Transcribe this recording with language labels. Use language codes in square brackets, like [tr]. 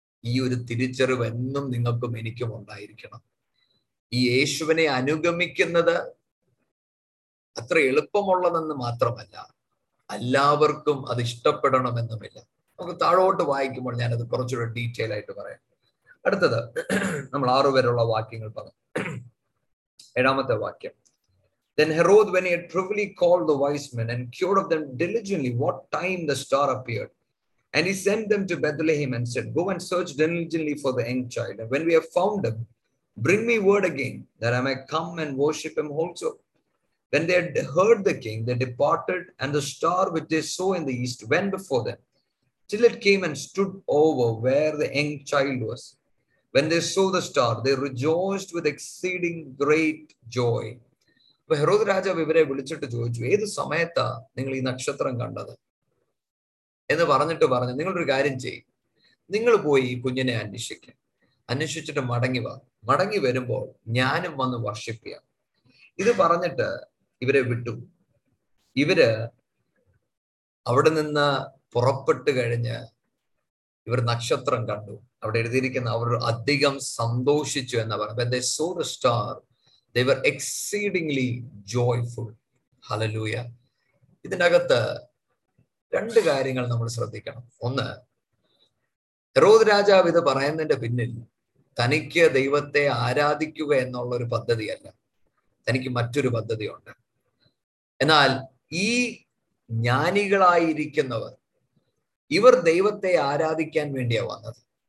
[ml] ഈ ഒരു തിരിച്ചറിവ് എന്നും നിങ്ങൾക്കും എനിക്കും ഉണ്ടായിരിക്കണം. ഈ യേശുവിനെ അനുഗമിക്കുന്നത് അത്ര എളുപ്പമുള്ളതെന്ന് മാത്രമല്ല, എല്ലാവർക്കും അത് ഇഷ്ടപ്പെടണമെന്നുമില്ല. നമുക്ക് താഴോട്ട് വായിക്കുമ്പോൾ ഞാനത് കുറച്ചുകൂടെ ഡീറ്റെയിൽ ആയിട്ട് പറയാം. അടുത്തത് നമ്മൾ ആറു പേരുള്ള വാക്യങ്ങൾ പറഞ്ഞു. ഏഴാമത്തെ വാക്യം, [en] Then Herod, when he had privily called the wise men and cured of them diligently what time the star appeared, and he sent them to Bethlehem and said, Go and search diligently for the young child, and when we have found him, bring me word again, that I may come and worship him also. When they had heard the king, they departed, and the star which they saw in the east went before them, till it came and stood over where the young child was. When they saw the star, they rejoiced with exceeding great joy. [ml] അപ്പൊ ഹെറോദ് രാജാവ് ഇവരെ വിളിച്ചിട്ട് ചോദിച്ചു, ഏത് സമയത്താ നിങ്ങൾ ഈ നക്ഷത്രം കണ്ടത് എന്ന് പറഞ്ഞിട്ട് പറഞ്ഞു, നിങ്ങളൊരു കാര്യം ചെയ്യും, നിങ്ങൾ പോയി ഈ കുഞ്ഞിനെ അന്വേഷിക്കാം, അന്വേഷിച്ചിട്ട് മടങ്ങി വാ, മടങ്ങി വരുമ്പോൾ ഞാനും വന്ന് വർഷിപ്പിക്കാം. ഇത് പറഞ്ഞിട്ട് ഇവരെ വിട്ടു. ഇവര് അവിടെ നിന്ന് പുറപ്പെട്ട് കഴിഞ്ഞ് ഇവർ നക്ഷത്രം കണ്ടു. അവിടെ എഴുതിയിരിക്കുന്ന അവർ അധികം സന്തോഷിച്ചു എന്ന് പറഞ്ഞു. [en] When they saw the star, They were exceedingly joyful. Hallelujah. [ml] ഇതിന്റെ അകത്ത് രണ്ട് കാര്യങ്ങൾ നമ്മൾ ശ്രദ്ധിക്കണം. ഒന്ന്, ഹെറോദ് രാജാവ് ഇത് പറയുന്നതിന്റെ പിന്നിൽ തനിക്ക് ദൈവത്തെ ആരാധിക്കുക എന്നുള്ള ഒരു പദ്ധതിയല്ല, തനിക്ക് മറ്റൊരു പദ്ധതിയുണ്ട്. എന്നാൽ ഈ ജ്ഞാനികളായിരിക്കുന്നവർ ഇവർ ദൈവത്തെ ആരാധിക്കാൻ വേണ്ടിയാ വന്നത്.